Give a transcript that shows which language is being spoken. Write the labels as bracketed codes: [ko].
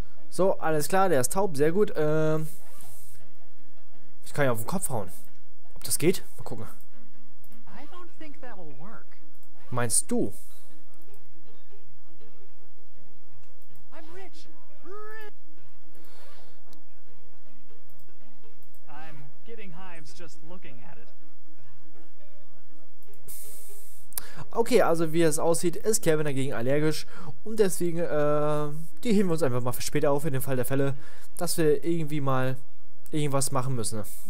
[de] So, alles klar, der ist taub, sehr gut. Ich kann ja auf den Kopf hauen. Ob das geht? Mal gucken. [en] I don't think that will work. [de] Meinst du? [en] I'm rich. I'm getting hives just looking at it. [de] Okay, also wie es aussieht, ist Kevin dagegen allergisch und deswegen, die heben wir uns einfach mal für später auf, in dem Fall der Fälle, dass wir irgendwie mal irgendwas machen müssen.